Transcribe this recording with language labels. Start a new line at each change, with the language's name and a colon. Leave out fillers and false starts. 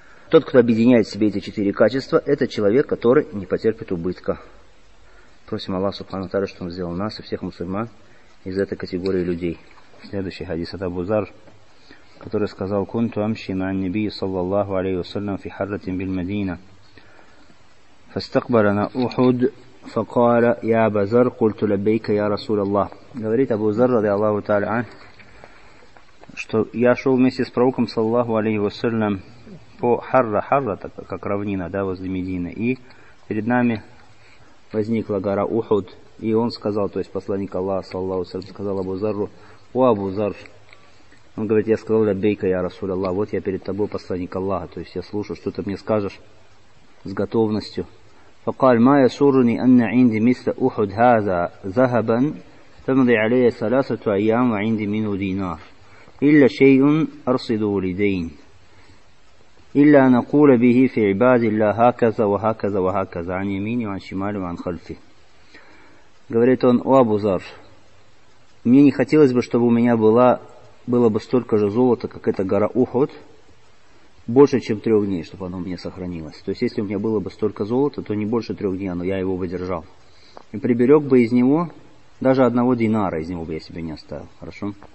Russian: Тот, кто объединяет в себе эти четыре качества, это человек, который не потерпит убытка. Просим Аллах Субхану Тааля, чтобы он сделал нас и всех мусульман из этой категории людей. Следующий хадис от Абу Зар, который сказал:
Arabic: «Кунту амши маа ан-набии саллаллаху алейхи ва саллям фи харратин биль Мадина. فاستقبلنا احد فقال يا ابا ذر قلت لبيك يا رسول الله».
Russian: Говорит Абу Зар
Arabic: رضي الله تعالى عنه,
Russian: что я шел вместе с пророком саллаллаху алейхи ва саллям по Харра. Харра — это как равнина, да, возле Медины. И перед нами возникла гора Ухуд. И он сказал, то есть посланник Аллаха саллаллаху алейхи ва саллям сказал Абу Зарру: «О Абу Зар», он говорит, «я сказал
Arabic: лабейка я расул Аллах,
Russian: вот я перед тобой, посланник Аллаха, то есть я слушаю, что ты мне скажешь с готовностью».
Arabic: فقال ما يسرني أن عندي مثل أحد هذا ذهبا تمضي عليه ثلاثة أيام وعندي منه دينار إلا شيء أرصده لدين إلا أن أقول به في عباد الله هكذا وهكذا وهكذا عن يميني وعن شمالي وعن خلفي.
Russian: Говорит он: «О Абу Зар, мне не хотелось бы, чтобы у меня было бы столько же золота, как эта гора Ухуд, больше, чем 3 дней, чтобы оно у меня сохранилось. То есть, если у меня было бы столько золота, то не больше 3 дней, но я его бы держал. И приберег бы из него, даже 1 динара из него бы я себе не оставил. Хорошо?